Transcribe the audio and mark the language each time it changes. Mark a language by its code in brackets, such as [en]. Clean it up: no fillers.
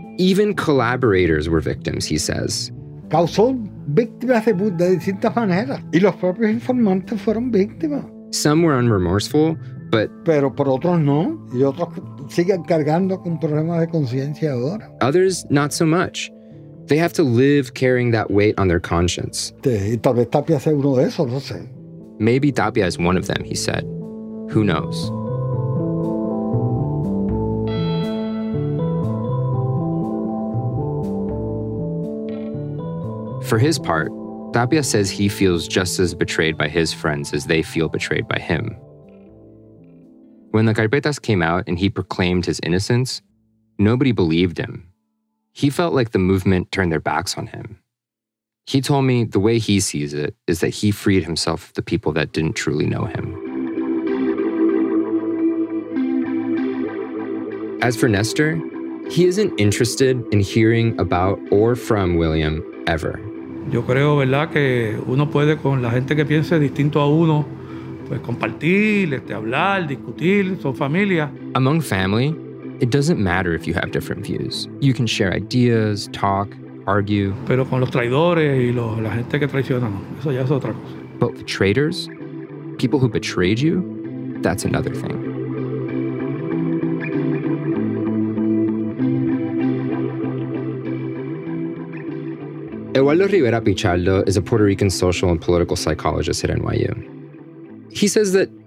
[en] Even collaborators were victims, he says. [es] Causó víctimas de distintas maneras. Y los propios informantes fueron víctimas. [en] Some were unremorseful, but... [es] Pero por otros no. Y otros siguen cargando con problemas de conciencia ahora. [en] Others, not so much. They have to live carrying that weight on their conscience. [es] Y tal vez Tapia sea uno de esos, no sé. [en] Maybe Tapia is one of them, he said. Who knows? For his part, Tapia says he feels just as betrayed by his friends as they feel betrayed by him. When the carpetas came out and he proclaimed his innocence, nobody believed him. He felt like the movement turned their backs on him. He told me the way he sees it is that he freed himself of the people that didn't truly know him. As for Nestor, he isn't interested in hearing about or from William ever. [es] Yo creo, ¿verdad?, que uno puede con la gente que piense distinto a uno, pues compartir, hablar, discutir, son familia. [en] Among family, it doesn't matter if you have different views. You can share ideas, talk, argue. [es] Pero con los traidores y la gente que traiciona, no. Eso ya es otra cosa. [en] But the traitors, people who betrayed you, that's another thing. Eduardo Rivera Pichardo is a Puerto Rican social and political psychologist at NYU. He says that